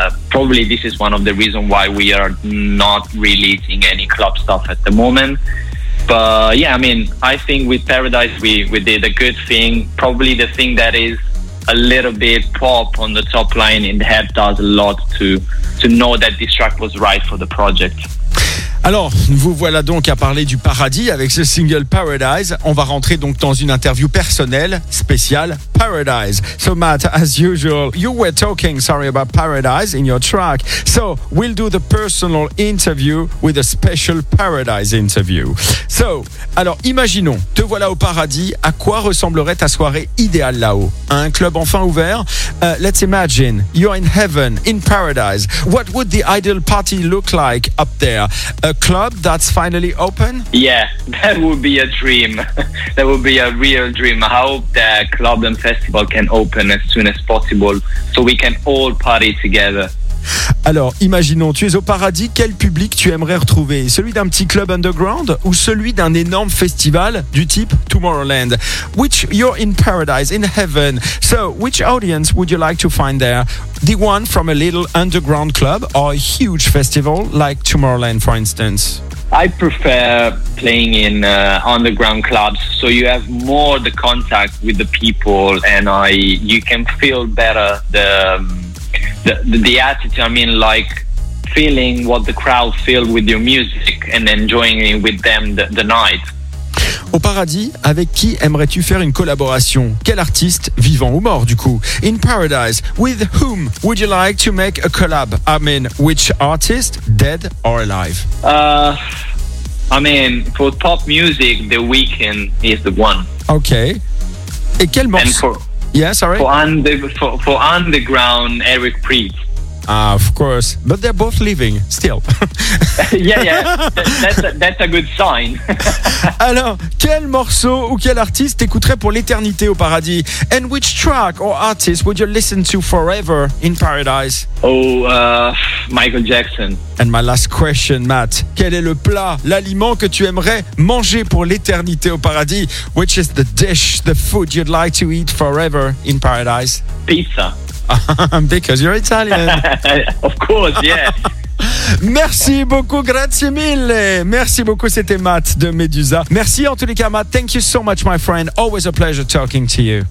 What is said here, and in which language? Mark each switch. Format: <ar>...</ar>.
<en>Probably this is one of the reasons why we are not releasing any club stuff at the moment. But yeah, I mean, I think with Paradise we did a good thing. Probably the thing that is a little bit pop on the top line and helped us a lot to know that this track was right for the project.</en> <fr>Alors, vous voilà donc à parler du paradis avec ce single Paradise. On va rentrer donc dans une interview personnelle, spéciale, Paradise.</fr> <en>So Matt, as usual, you were talking, sorry, about Paradise in your track. So, we'll do the personal interview with a special Paradise interview.</en> <fr>So, alors, imaginons, te voilà au paradis. À quoi ressemblerait ta soirée idéale là-haut? À un club enfin ouvert?</fr> <en>Let's imagine, you're in heaven, in paradise. What would the ideal party look like up there? A club that's finally open? Yeah, that would be a dream. That would be a real dream. I hope that club and festival can open as soon as possible so we can all party together.</en> <fr>Alors, imaginons, tu es au paradis, quel public tu aimerais retrouver? Celui d'un petit club underground ou celui d'un énorme festival du type Tomorrowland?</fr> <en>Which, you're in paradise, in heaven. So, which audience would you like to find there? The one from a little underground club or a huge festival like Tomorrowland, for instance? I prefer playing in underground clubs, so you have more the contact with the people and you can feel better the attitude. I mean, like feeling what the crowd feel with your music and enjoying it with them the night.</en> <fr>Au paradis, avec qui aimerais-tu faire une collaboration? Quel artiste, vivant ou mort du coup?</fr> <en>In paradise, with whom would you like to make a collab? I mean, which artist, dead or alive? I mean, for pop music, The Weeknd is the one.</en> <fr>Okay. Et quel morceau?</fr> <en>For underground, Eric Preet. Ah, of course. But they're both living, still. that's a good sign.</en> <fr>Alors, quel morceau ou quel artiste t'écouterais pour l'éternité au paradis?</fr> <en>And which track or artist would you listen to forever in paradise? Michael Jackson. And my last question, Matt.</en> <fr>Quel est le plat, l'aliment que tu aimerais manger pour l'éternité au paradis?</fr> <en>Which is the dish, the food you'd like to eat forever in paradise? Pizza. Because you're Italian. Of course, yeah.</en> <fr>Merci beaucoup,</fr> <it>grazie mille.</it> <fr>Merci beaucoup, c'était Matt de Medusa. Merci en tous les cas,</fr> <en>Matt. Thank you so much, my friend. Always a pleasure talking to you.</en>